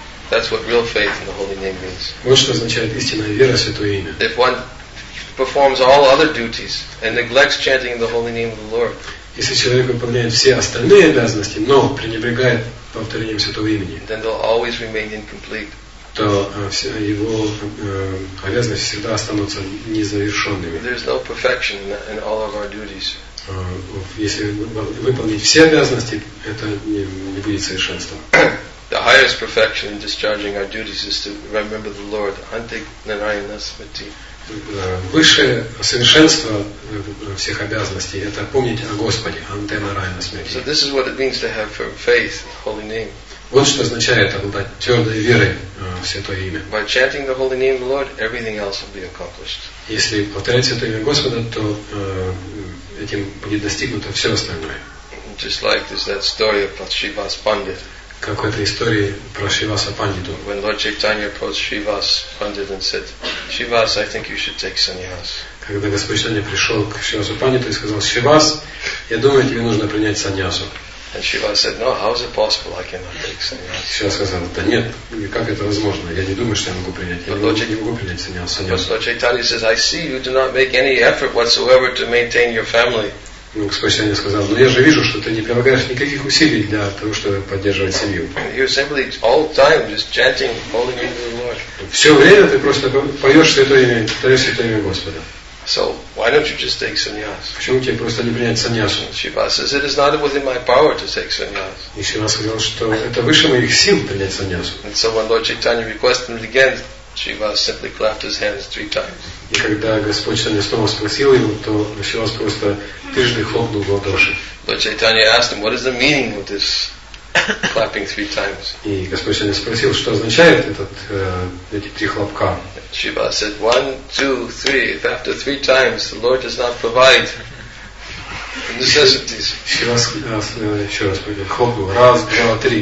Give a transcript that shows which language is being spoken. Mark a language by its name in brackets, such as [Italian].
[English] That's what real faith in the holy name means. [Russian] Вот что означает истинная вера в святое имя. [English] If one performs all other duties and neglects chanting the holy name of the Lord. [Russian] Если человек выполняет все остальные обязанности, но пренебрегает повторением святого имени, [English] then they'll always remain incomplete. [Russian] То его обязанности всегда останутся незавершенными. [English] There's no perfection in all of our duties. [Russian] Если выполнить все обязанности, это не будет совершенством. [English] The highest perfection in discharging our duties is to remember the Lord. [Sanskrit] Anti Narayana Smriti. [Russian] Высшее совершенство всех обязанностей это помнить о Господе. [Sanskrit] Anti Narayana Smriti. [English] So this is what it means to have firm faith, holy name. [Russian] Вот что означает обладать твердой верой в святое имя. [English] By chanting the holy name of the Lord, everything else will be accomplished. [Russian] Если повторять святое имя Господа, то этим будет достигнуто все остальное. [English] Just like there's that story of Shrivas Pandit. [Russian] Как в этой истории про Шриваса Пандиту. [English] When Lord Chaitanya approached Shrivas Pandit and said, Shrivas, I think you should take sannyas. [Russian] Когда Господь Чайтанья пришел к Шривасу Пандиту и сказал, Шривас, я думаю, тебе нужно принять саньясу. [English] And Shiva said, "No, how is it possible I cannot take sannyas?" [Russian] Shiva сказал, да нет, как это возможно? Я не думаю, что я могу принять. Я не могу принять sannyas. [English] But Lord Chaitanya says, "I see you do not make any effort whatsoever to maintain your family." [Russian] Господь Чайтанья сказал, но я же вижу, что ты не прилагаешь никаких усилий для того, чтобы поддерживать семью. [English] You're simply all time just chanting, calling into the Lord. [Russian] Все время ты просто поешь святое имя, повторяешь святое имя Господа. [English] So why don't you just take sannyas? [Russian] Почему тебе просто не принять саньясу? [English] Shiva says it is not within my power to take sannyas. [Russian] И Шива сказал, что это выше моих сил принять саньясу. [English] And so when Lord Chaitanya requested it again, Shiva simply clapped his hands three times. [Russian] И когда Господь Чайтанья снова спросил его, то Шива просто трижды хлопнул в ладоши. [English] Lord Chaitanya asked him, what is the meaning of this clapping three times? [Russian] И Господь Чайтанья спросил, что означает этот эти три хлопка? [English] Shiva said, one, two, three. If after three times the Lord does not provide necessities. [Russian] Shiva еще раз говорит, хлопнул. Раз, два, три.